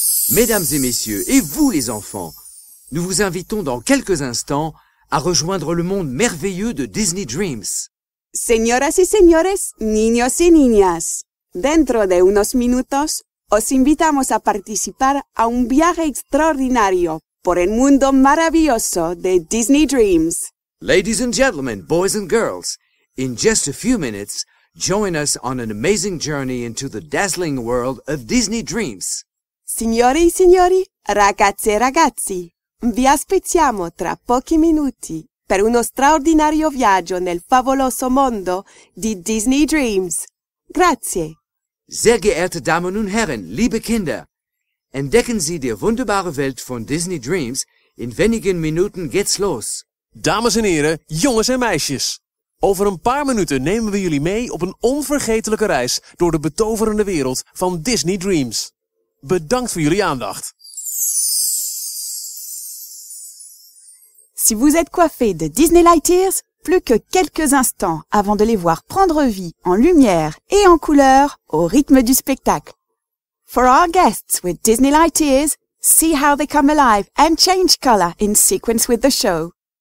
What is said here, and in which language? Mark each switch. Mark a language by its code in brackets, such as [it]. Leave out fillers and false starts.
[fr] Mesdames et messieurs, et vous les enfants, nous vous invitons dans quelques instants à rejoindre le monde merveilleux de Disney Dreams. [es] Señoras y señores, niños y niñas, dentro de unos minutos, os invitamos a participar a un viaje extraordinario por el mundo maravilloso de Disney Dreams. [en] Ladies and gentlemen, boys and girls, in just a few minutes, join us on an amazing journey into the dazzling world of Disney Dreams. [it] Signori e signori, ragazze e ragazzi, vi aspettiamo tra pochi minuti per uno straordinario viaggio nel favoloso mondo di Disney Dreams. Grazie. [de] Sehr geehrte Damen und Herren, liebe Kinder, entdecken Sie die wunderbare Welt von Disney Dreams. In wenigen Minuten geht's los. [nl] Dames en heren, jongens en meisjes. Over een paar minuten nemen we jullie mee op een onvergetelijke reis door de betoverende wereld van Disney Dreams. Bedankt voor jullie aandacht. [fr] Si vous êtes coiffé de Disney Lightyears, plus que quelques instants avant de les voir prendre vie en lumière et en couleur au rythme du spectacle. [en] For our guests with Disney Lightyears, see how they come alive and change color in sequence with the show.